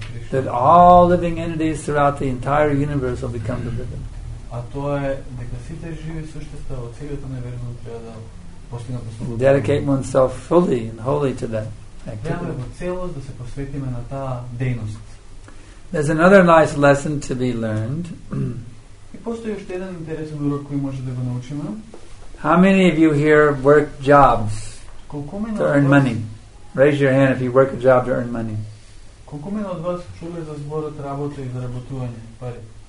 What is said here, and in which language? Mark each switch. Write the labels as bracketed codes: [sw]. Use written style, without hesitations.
[en] That all living entities throughout the entire universe will become divine. [mk] А тоа е дека сите живи суштества во целиот универзум треба да постигнат слободата. [en] Dedicate oneself fully and wholly to that activity. [mk] Треба во целост да се посветиме на таа дејност. [en] There's another nice lesson to be learned. [mk] И постои уште еден интересен урок кој може да го научиме. [en] How many of you here work jobs to earn money? Raise your hand if you work a job to earn money. [mk] Колку мене од вас чуле за зборот работа и заработување пари?